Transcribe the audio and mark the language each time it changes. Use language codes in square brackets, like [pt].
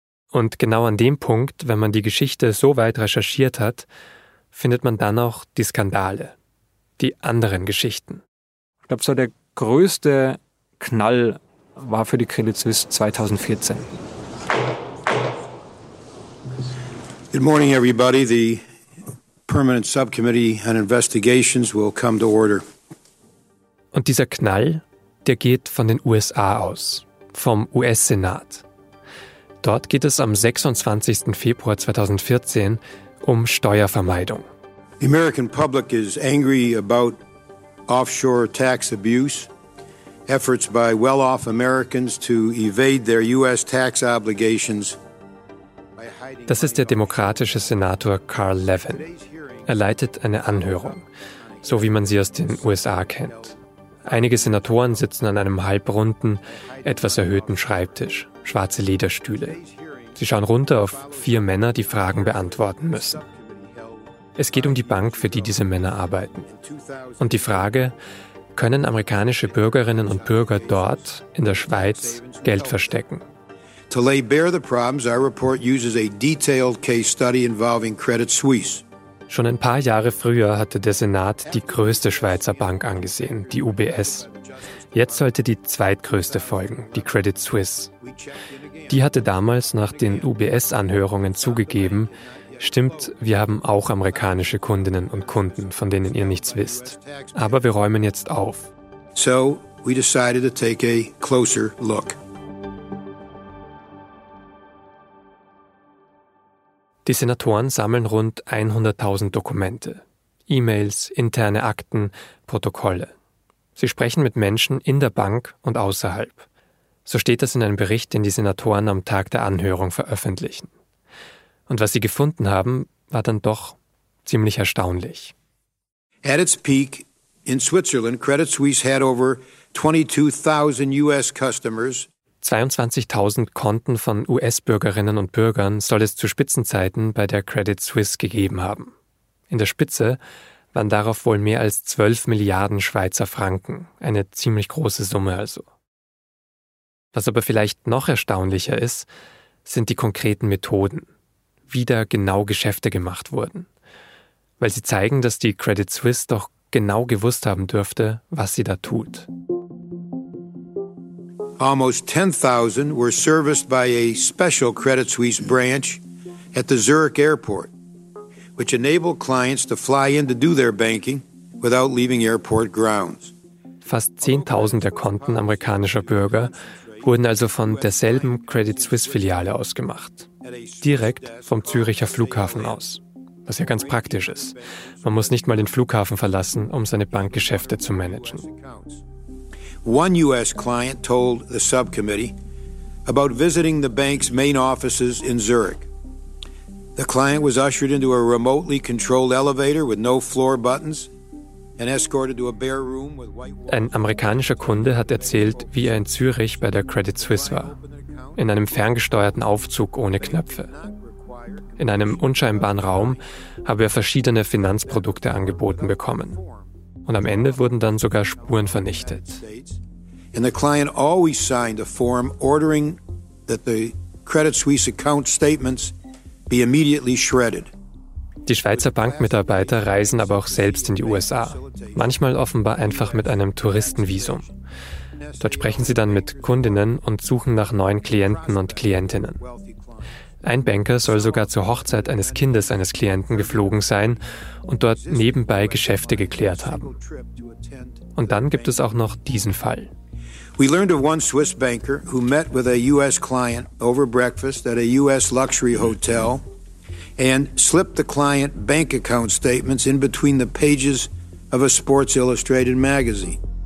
[de] Und genau an dem Punkt, wenn man die Geschichte so weit recherchiert hat, findet man dann auch die Skandale, die anderen Geschichten. Ich glaube, so der größte Knall war für die Credit Suisse 2014. [en] Good morning, everybody. The Permanent Subcommittee on Investigations will come to order. [de] Und dieser Knall, der geht von den USA aus, vom US-Senat. Dort geht es am 26. Februar 2014 um Steuervermeidung. [en] The American public is angry about offshore tax abuse. Efforts by well-off Americans to evade their U.S. tax obligations. [de] Das ist der demokratische Senator Carl Levin. Er leitet eine Anhörung, so wie man sie aus den USA kennt. Einige Senatoren sitzen an einem halbrunden, etwas erhöhten Schreibtisch, schwarze Lederstühle. Sie schauen runter auf 4 Männer, die Fragen beantworten müssen. Es geht um die Bank, für die diese Männer arbeiten. Und die Frage: Können amerikanische Bürgerinnen und Bürger dort in der Schweiz Geld verstecken? [en] To lay bare the problems, our report uses a detailed case study involving Credit Suisse. [de] Schon ein paar Jahre früher hatte der Senat die größte Schweizer Bank angesehen, die UBS. Jetzt sollte die zweitgrößte folgen, die Credit Suisse. Die hatte damals nach den UBS-Anhörungen zugegeben, Stimmt, wir haben auch amerikanische Kundinnen und Kunden, von denen ihr nichts wisst. Aber wir räumen jetzt auf. [en] So, we decided to take a closer look. [de] Die Senatoren sammeln rund 100.000 Dokumente. E-Mails, interne Akten, Protokolle. Sie sprechen mit Menschen in der Bank und außerhalb. So steht das in einem Bericht, den die Senatoren am Tag der Anhörung veröffentlichen. Und was sie gefunden haben, war dann doch ziemlich erstaunlich. [en] At its peak in Switzerland, Credit Suisse had over 22,000 US customers. [de] 22.000 Konten von US-Bürgerinnen und Bürgern soll es zu Spitzenzeiten bei der Credit Suisse gegeben haben. In der Spitze waren darauf wohl mehr als 12 Milliarden Schweizer Franken, eine ziemlich große Summe also. Was aber vielleicht noch erstaunlicher ist, sind die konkreten Methoden, wie da genau Geschäfte gemacht wurden. Weil sie zeigen, dass die Credit Suisse doch genau gewusst haben dürfte, was sie da tut. [en] Almost 10,000 were serviced by a special Credit Suisse branch at the Zurich Airport, which enabled clients to fly in to do their banking without leaving airport grounds. [de] Fast 10,000 der Konten amerikanischer Bürger wurden also von derselben Credit Suisse-Filiale ausgemacht, direkt vom Züricher Flughafen aus. Was ja ganz praktisch ist. Man muss nicht mal den Flughafen verlassen, um seine Bankgeschäfte zu managen. [en] One US client told the subcommittee about visiting the bank's main offices in Zurich. The client was ushered into a remotely controlled elevator with no floor buttons and escorted to a bare room with white walls. [de] Ein amerikanischer Kunde hat erzählt, wie in Zürich bei der Credit Suisse war. In einem ferngesteuerten Aufzug ohne Knöpfe. In einem unscheinbaren Raum habe er verschiedene Finanzprodukte angeboten bekommen. Und am Ende wurden dann sogar Spuren vernichtet. [en] And the client always signed a form ordering that the Credit Suisse account statements be immediately shredded. [de] Die Schweizer Bankmitarbeiter reisen aber auch selbst in die USA. Manchmal offenbar einfach mit einem Touristenvisum. Dort sprechen sie dann mit Kundinnen und suchen nach neuen Klienten und Klientinnen. Ein Banker soll sogar zur Hochzeit eines Kindes eines Klienten geflogen sein und dort nebenbei Geschäfte geklärt haben. Und dann gibt es auch noch diesen Fall. [en] We learned of one Swiss banker who met with a US client over breakfast at a US luxury hotel and slipped the client bank account statements in between the pages of a Sports Illustrated magazine.